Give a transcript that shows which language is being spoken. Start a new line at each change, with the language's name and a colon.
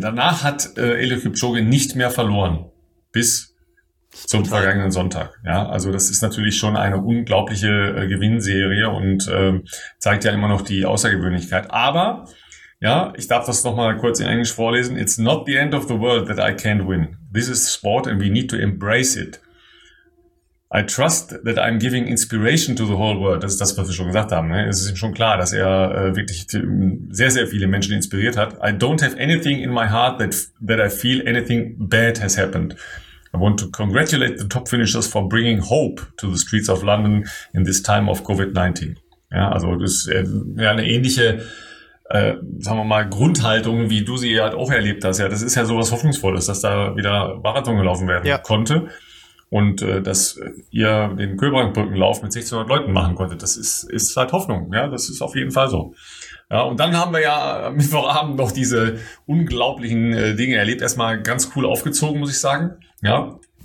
German: Danach hat Eliud Kipchoge nicht mehr verloren, bis zum vergangenen Sonntag, ja, also das ist natürlich schon eine unglaubliche Gewinnserie und zeigt ja immer noch die Außergewöhnlichkeit, aber ja, ich darf das nochmal kurz in Englisch vorlesen.
English: It's not the end of the world that I can't win. This is sport and we need to embrace it. I trust that I'm giving inspiration to the whole world.
German: Das ist das, was wir schon gesagt haben, ne? Es ist ihm schon klar, dass er wirklich sehr, sehr viele Menschen inspiriert hat.
English: I don't have anything in my heart that I feel anything bad has happened. I want to congratulate the top finishers for bringing hope to the streets of London in this time of COVID-19.
German: Ja, also das ist eine ähnliche, sagen wir mal, Grundhaltung, wie du sie halt auch erlebt hast. Ja, das ist ja sowas Hoffnungsvolles, dass da wieder Marathon gelaufen werden konnte und dass ihr den Köbrangbrückenlauf mit 1600 Leuten machen konntet. Das ist halt Hoffnung. Ja, das ist auf jeden Fall so. Ja, und dann haben wir ja Mittwochabend noch diese unglaublichen Dinge erlebt. Erstmal ganz cool aufgezogen, muss ich sagen. Ja.